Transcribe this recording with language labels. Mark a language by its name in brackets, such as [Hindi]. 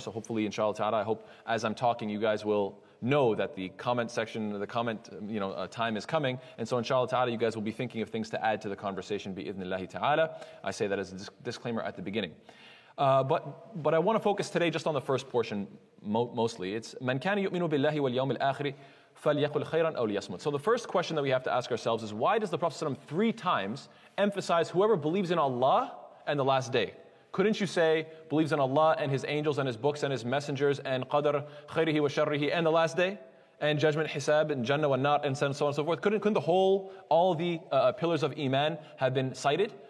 [English] So hopefully, inshallah ta'ala, I hope as I'm talking, you guys will know that the comment section, the comment, you know, time is coming. And so inshallah ta'ala, you guys will be thinking of things to add to the conversation, bi-idhnillahi ta'ala. I say that as a disclaimer at the beginning. But I want to focus today just on the first portion, mostly. [Arabic] It's, من كان يؤمن بالله واليوم الآخر فليقل خيرا أو ليصمت. [English] So the first question that we have to ask ourselves is, why does the Prophet ﷺ three times emphasize whoever believes in Allah and the last day? Couldn't you say, believes in Allah and his angels and his books and his messengers and qadr, khayrihi wa sharrihi, and the last day? And judgment, hisab, and jannah wa nar, and so on and so forth. Couldn't the whole, all the pillars of iman have been cited?